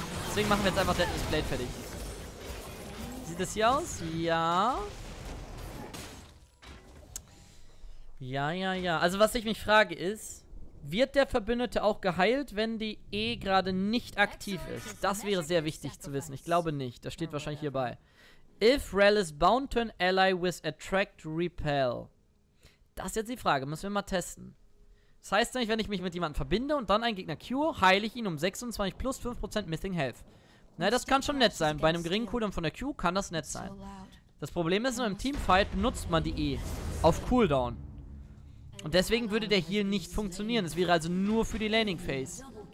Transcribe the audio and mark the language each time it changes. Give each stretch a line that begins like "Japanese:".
German: Deswegen machen wir jetzt einfach Deadless Blade fertig. Sieht das hier aus? Ja. Ja, ja, ja. Also was ich mich frage ist, wird der Verbündete auch geheilt, wenn die E gerade nicht aktiv ist? Das wäre sehr wichtig zu wissen. Ich glaube nicht. Das steht wahrscheinlich hierbei.
English: If Rallis bound to an ally with attract repel.
German: Das ist jetzt die Frage. Müssen wir mal testen. Das heißt nämlich, wenn ich mich mit jemandem verbinde und dann einen Gegner cure, heile ich ihn um 26 plus 5% Missing Health. Na, das kann schon nett sein. Bei einem geringen Cooldown von der Q kann das nett sein. Das Problem ist, im Teamfight benutzt man die E auf Cooldown. Und deswegen würde der Heal nicht funktionieren. Das wäre also nur für die Laning Phase.